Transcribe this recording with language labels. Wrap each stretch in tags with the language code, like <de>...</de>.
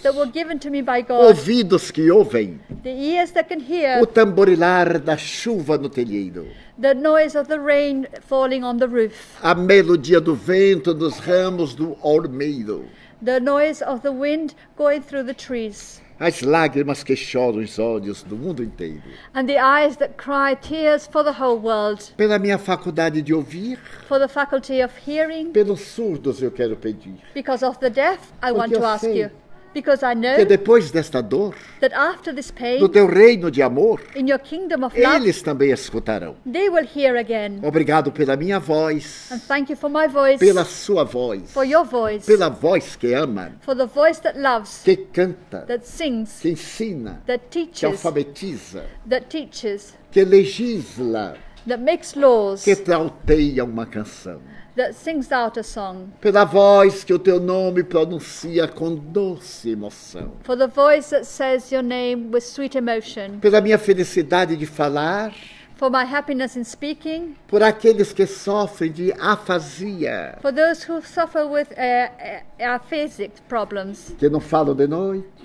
<en>that were given to me by God.</en> <pt>Ouvidos que ouvem,</pt> <en>the ears that can hear.</en> <pt>O tamborilar da chuva no telheiro,</pt> <en>the noise of the rain falling on the roof.</en> <pt>A melodia do vento nos ramos do ormeiro,</pt> <en>the noise of the wind going through the trees.</en> <pt>As lágrimas que choram os olhos do mundo inteiro.</pt> <en>And the eyes that cry tears for the whole world.</en> <pt>Pela minha faculdade de ouvir.</pt> <en>For the faculty of hearing.</en> <pt>Pelos surdos eu quero pedir.</pt> <en>Because of the deaf, I</en> <pt>Porque</pt> <en>want to ask</en> <pt>sei.</pt> <en>You. Because I know</en> <pt>que depois desta dor,</pt> <en>that after this pain,</en> <pt>no teu reino de amor,</pt> <en>in your kingdom of</en> <pt>eles</pt> <en>love,</en> <pt>também escutarão.</pt> <en>They will hear again.</en> <pt>Obrigado pela minha voz.</pt> <en>And thank you for my voice.</en> <pt>Pela sua voz.</pt> <en>For your voice.</en> <pt>Pela voz que ama.</pt> <en>For the voice that loves.</en> <pt>Que canta.</pt> <en>That sings.</en> <pt>Que ensina.</pt> <en>That teaches.</en> <pt>Que alfabetiza.</pt> <en>That teaches.</en> <pt>Que legisla.</pt> <en>That makes laws.</en> <pt>Que trauteia uma canção.</pt> <en>That sings out a song.</en> <pt>Pela voz que o teu nome pronuncia com doce emoção.</pt> <en>For the voice that says your name with sweet emotion.</en> <pt>Pela minha felicidade de falar.</pt> <en>For my happiness in speaking.</en> <pt>Por aqueles que sofrem de afasia.</pt> <en>For those who suffer with aphasic problems.</en> <pt>Que não falam de noite.</pt>